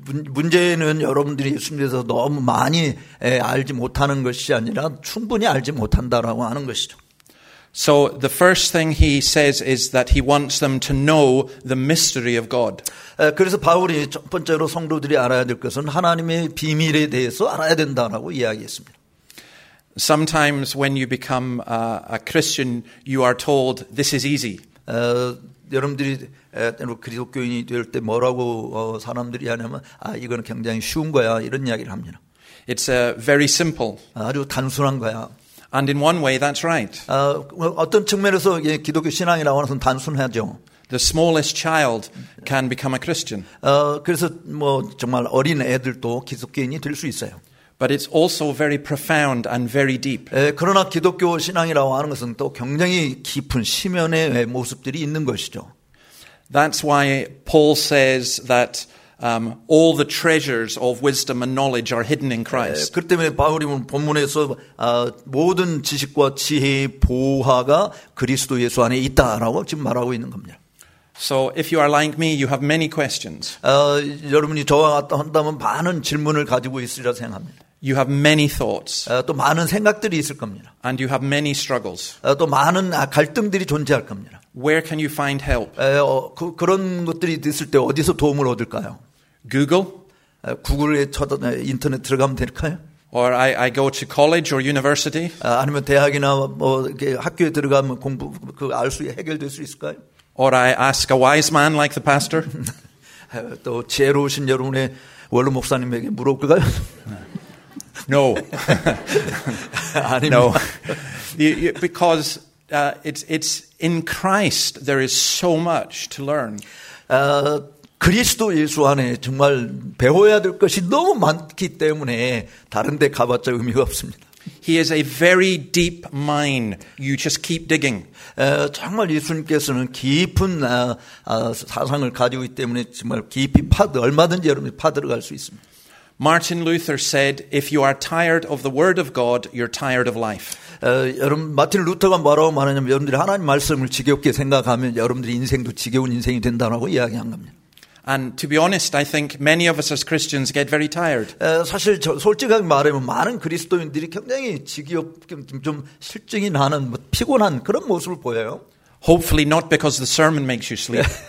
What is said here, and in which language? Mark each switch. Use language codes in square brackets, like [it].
[ko] 문제는 여러분들이 예수님에 대해서 너무 많이 알지 못하는 것이 아니라 충분히 알지 못한다라고 하는 것이죠. [en] So the first thing he says is that he wants them to know the mystery of God. [ko] 그래서 바울이 첫 번째로 성도들이 알아야 될 것은 하나님의 비밀에 대해서 알아야 된다라고 이야기했습니다. [en] Sometimes when you become a Christian, you are told this is easy. [ko] 여러분들이 그리스도교인이 될 때 뭐라고 사람들이 하냐면 이거는 굉장히 쉬운 거야 이런 이야기를 합니다. [en] It's very simple. [ko] 아주 단순한 거야. [en] And in one way, that's right. [ko] 어떤 측면에서 예, 기독교 신앙이라고 하는 건 단순하죠. [en] The smallest child can become a Christian. [ko] 그래서 뭐 정말 어린 애들도 기독교인이 될 수 있어요. [en] But it's also very profound and very deep. [ko] 그러나 기독교 신앙이라고 하는 것은 또 굉장히 깊은 심연의 모습들이 있는 것이죠. [en] That's why Paul says that all the treasures of wisdom and knowledge are hidden in Christ. [ko] 그 때문에 바울이 본문에서 모든 지식과 지혜의 보화가 그리스도 예수 안에 있다라고 지금 말하고 있는 겁니다. [en] So if you are like me, you have many questions. [ko] 여러분이 저와 같다 한다면 많은 질문을 가지고 있으리라 생각합니다. [en] You have many thoughts. [ko] 또 많은 생각들이 있을 겁니다. [en] And you have many struggles. [ko] 또 많은 갈등들이 존재할 겁니다. [en] Where can you find help? [ko] 그런 것들이 있을 때 어디서 도움을 얻을까요? [en] Google? [ko] 구글에 쳐다 인터넷 들어가면 될까요? [en] Or I go to college or university? [ko] 아니면 대학이나 뭐 학교에 들어가면 공부 그 알 수 해결될 수 있을까요? [en] Or I ask a wise man like the pastor. [ko] 또 지혜로우신 여러분의 원로 목사님에게 물어볼까요? [en] No. No. Because it's in Christ there is so much to learn. [ko] 그리스도 예수 안에 정말 배워야 될 것이 너무 많기 때문에 다른 데 가봤자 의미가 없습니다. [en] He is a very deep mine. You just keep digging. [ko] 정말 예수님께서는 깊은 사상을 가지고 있기 때문에 정말 깊이 파도 얼마든지 여러분이 파들어갈 수 있습니다. [en] Martin Luther said, "If you are tired of the Word of God, you're tired of life." [ko] 여러분 마틴 루터가 뭐라고 말하냐면 여러분들이 하나님 말씀을 지겹게 생각하면 여러분들이 인생도 지겨운 인생이 된다라고 이야기한 겁니다. [en] And to be honest, I think many of us as Christians get very tired. [ko] 사실 솔직하게 말하면 많은 그리스도인들이 굉장히 지겹게 좀 실증이 나는 뭐 피곤한 그런 모습을 보여요. [en] Hopefully not because the sermon makes you sleep.